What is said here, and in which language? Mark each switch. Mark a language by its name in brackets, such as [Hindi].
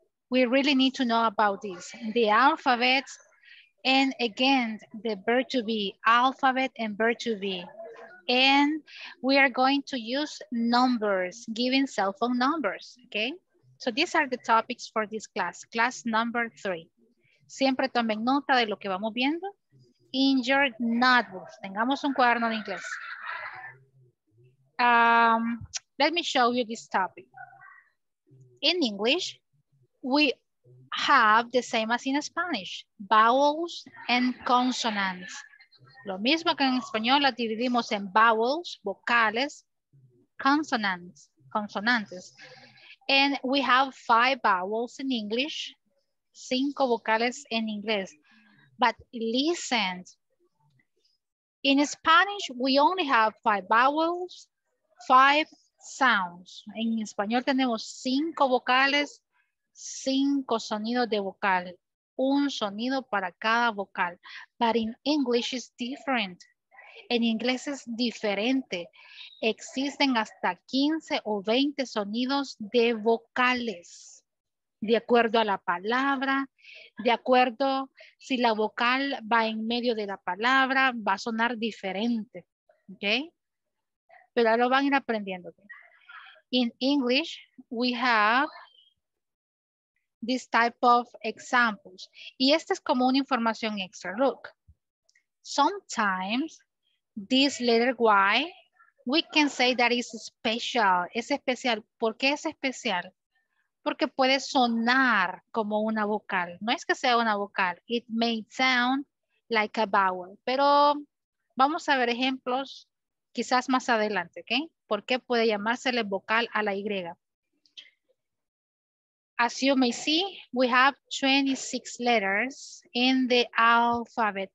[English] we really need to know about this. The alphabet, and again, the verb to be, alphabet and verb to be. And we are going to use numbers, giving cell phone numbers, okay? So these are the topics for this class, class number 3. [Spanish] Siempre tomen nota de lo que vamos viendo. [English] In your notebook, [Spanish] tengamos un cuaderno de inglés. [English] Let me show you this topic. In English, we have the same as in Spanish, vowels and consonants. [Spanish] Lo mismo que en español, la dividimos en vowels, vocales, consonants, consonantes. [English] And we have 5 vowels in English, [Spanish] 5 vocales en inglés. [English] But listen, in Spanish, we only have 5 vowels, 5 sounds. [Spanish] En español tenemos 5 vocales, 5 sonidos de vocal, un sonido para cada vocal. [English] But in English is different. [Spanish] En inglés es diferente. Existen hasta 15 o 20 sonidos de vocales. De acuerdo a la palabra, de acuerdo si la vocal va en medio de la palabra, va a sonar diferente. Okay? Pero lo van a ir aprendiendo. [English] In English, we have this type of examples. [Spanish] Y esta es como una información extra. [English] Look, sometimes this letter Y, we can say that is special. [Spanish] Es especial. ¿Por qué es especial? Porque puede sonar como una vocal. No es que sea una vocal. [English] It may sound like a vowel. [Spanish] Pero vamos a ver ejemplos quizás más adelante, ¿ok? ¿Por qué puede llamársele vocal a la Y? [English] As you may see, we have 26 letters in the alphabet.